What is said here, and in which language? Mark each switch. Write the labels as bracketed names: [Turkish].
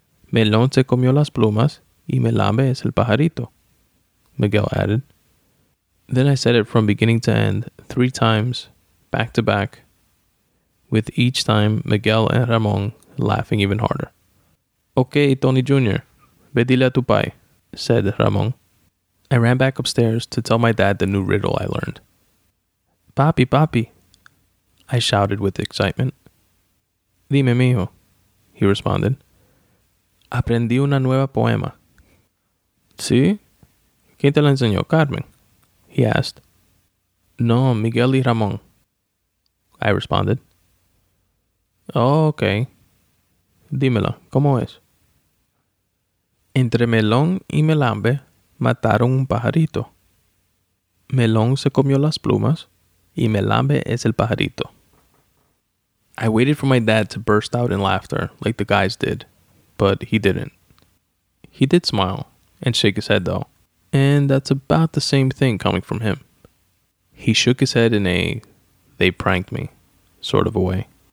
[Spanish] Melón se comió las plumas y melambe es el pajarito, [English] Miguel added. Then I said it from beginning to end, three times, back to back, with each time Miguel and Ramón laughing even harder. [Spanish] Okay, Tony Jr., ve dile a tu pai, [English] said Ramón. I ran back upstairs to tell my dad the new riddle I learned. [Spanish] Papi, papi, [English] I shouted with excitement. [Spanish] Dime, mijo, [English] he responded. [Spanish] Aprendí una nueva poema. ¿Sí? ¿Quién te la enseñó, Carmen? [English] He asked. [Spanish] No, Miguel y Ramón, [English] I responded. [Spanish] Oh, okay. Dímelo, ¿cómo es? Entre Melón y Melambe mataron un pajarito. Melón se comió las plumas y Melambe es el pajarito. [English] I waited for my dad to burst out in laughter like the guys did, but he didn't. He did smile and shake his head though, and that's about the same thing coming from him. He shook his head in a, they pranked me, sort of a way.